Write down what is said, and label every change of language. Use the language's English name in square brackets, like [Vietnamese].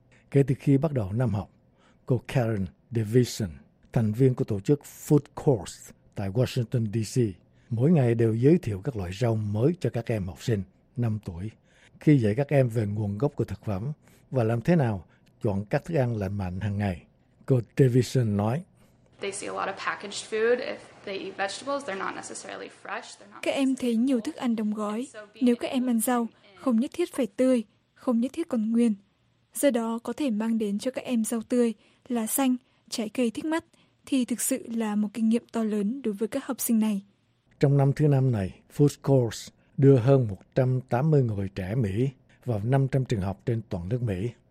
[Vietnamese] Kể từ khi bắt đầu năm học, cô Karen Davison, thành viên của tổ chức Food Course tại Washington, D.C., mỗi ngày đều giới thiệu các loại rau mới cho các em học sinh 5 tuổi, khi dạy các em về nguồn gốc của thực phẩm và làm thế nào chọn các thức ăn lành mạnh hàng ngày. Cô Davison nói, [English] they see a lot of packaged food. If they eat vegetables, they're not necessarily fresh. [Vietnamese] Các em thấy nhiều thức ăn đóng gói. Nếu các em ăn rau, không nhất thiết phải tươi, không nhất thiết còn nguyên. Do đó, có thể mang đến cho các em rau tươi, lá xanh, trái cây thích mắt, thì thực sự là một kinh nghiệm to lớn đối với các học sinh này. Trong năm thứ năm này, Food Course đưa hơn 180 người trẻ Mỹ vào 500 trường học trên toàn nước Mỹ.